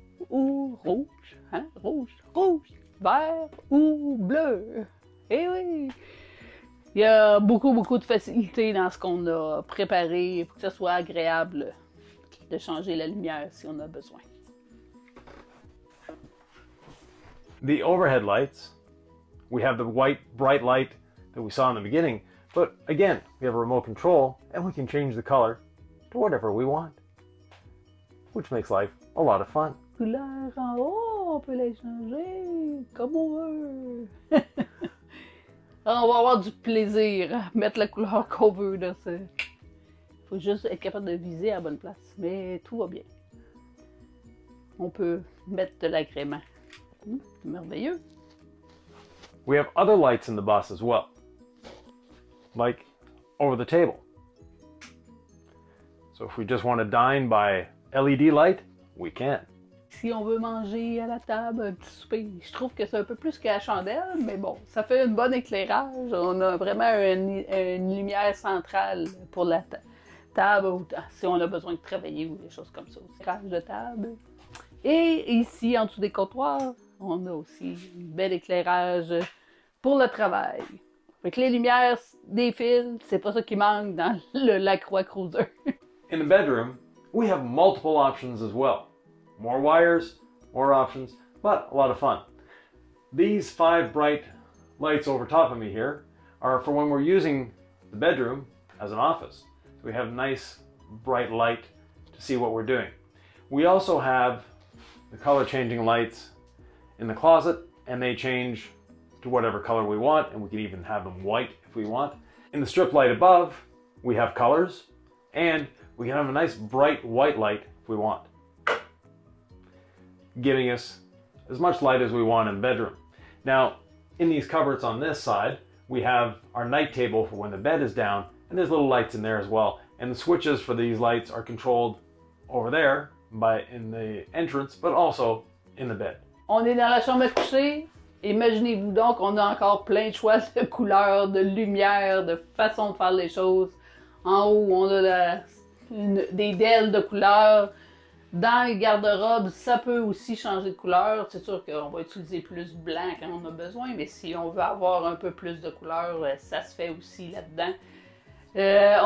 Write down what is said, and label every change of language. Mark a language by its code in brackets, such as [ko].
[fr] Ou rouge, hein? Rouge, rouge, vert ou bleu. Eh oui! Il y a beaucoup, beaucoup de facilité dans ce qu'on a préparé pour que ce soit agréable de changer la lumière si on a besoin. [en] The overhead lights. We have the white, bright light that we saw in the beginning. But again, we have a remote control and we can change the color to whatever we want. Which makes life a lot of fun. [fr] Couleurs en haut, on peut les changer comme on veut. On va avoir du plaisir à mettre la couleur qu'on veut dans ce. Faut juste être capable de viser à la bonne place. Mais tout va bien. On peut mettre de l'agrément. C'est merveilleux. [en] We have other lights in the bus as well. Like over the table. So if we just want to dine by LED light, we can. [fr] Si on veut manger à la table, un petit souper, je trouve que c'est un peu plus qu'à la chandelle, mais bon, ça fait un bon éclairage. On a vraiment une lumière centrale pour la table, ou si on a besoin de travailler ou des choses comme ça, éclairage de table. Et ici, en dessous des comptoirs, on a aussi un bel éclairage pour le travail. Fait que les lumières des fils, c'est pas ça qui manque dans le Lacroix Cruiser. [en] In the bedroom, we have multiple options as well. More wires, more options, but a lot of fun. These five bright lights over top of me here are for when we're using the bedroom as an office. We have nice bright light to see what we're doing. We also have the color changing lights in the closet and they change to whatever color we want, and we can even have them white if we want. In the strip light above, we have colors, and we can have a nice bright white light if we want, giving us as much light as we want in the bedroom. Now, in these cupboards on this side, we have our night table for when the bed is down, and there's little lights in there as well. And the switches for these lights are controlled over there by in the entrance, but also in the bed. [fr] On est dans la chambre à coucher. Imaginez-vous donc, on a encore plein de choix de couleurs, de lumière, de façon de faire les choses. En haut, on a des dalles de couleurs. Dans les garde-robes, ça peut aussi changer de couleur. C'est sûr qu'on va utiliser plus blanc quand on a besoin, mais si on veut avoir un peu plus de couleur, ça se fait aussi là-dedans.